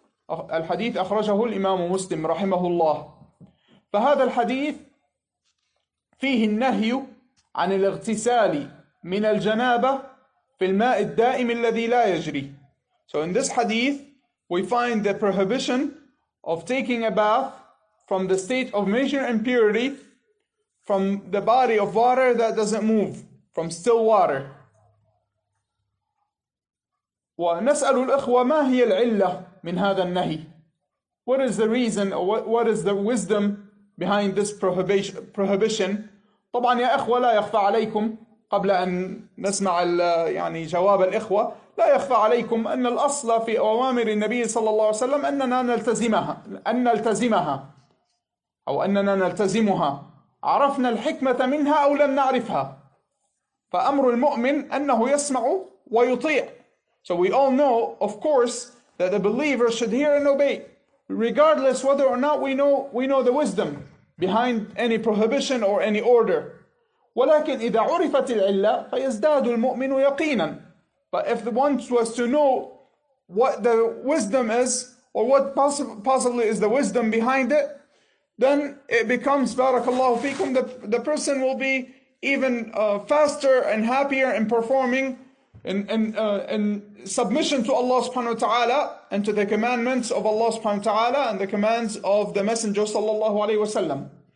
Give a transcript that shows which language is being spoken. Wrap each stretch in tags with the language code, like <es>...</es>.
<ar>الحديث أخرجه الإمام مسلم رحمه الله. فهذا الحديث فيه النهي عن الاغتسال من الجنابة في الماء الدائم الذي لا يجري.</ar> <en>So in this hadith, we find the prohibition of taking a bath from the state of major impurity, from the body of water that doesn't move, from still water.</en> <ar>ونسأل الأخوة ما هي العلة من هذا النهي.</ar> <en>What is the reason, or what is the wisdom behind this prohibition?</en> <ar>طبعا يا أخوة لا يخفى عليكم, قبل أن نسمع يعني جواب الإخوة, لا يخفى عليكم أن الأصل في أوامر النبي صلى الله عليه وسلم أننا نلتزمها, أن نلتزمها أو أننا نلتزمها, عرفنا الحكمة منها أو لم نعرفها. فأمر المؤمن أنه يسمع ويطيع.</ar> <en>So we all know, of course, that the believer should hear and obey, regardless whether or not we know the wisdom behind any prohibition or any order.</en> <ar>ولكن إذا عرفت العلة فيزداد المؤمن يقينا.</ar> <en>But if the one was to know what the wisdom is, or what possibly is the wisdom behind it, then it becomes, barakallahu feekum, the person will be even faster and happier in performing in submission to Allah subhanahu wa ta'ala and to the commandments of Allah subhanahu wa ta'ala and the commands of the Messenger sallallahu alayhi wa sallam.</en>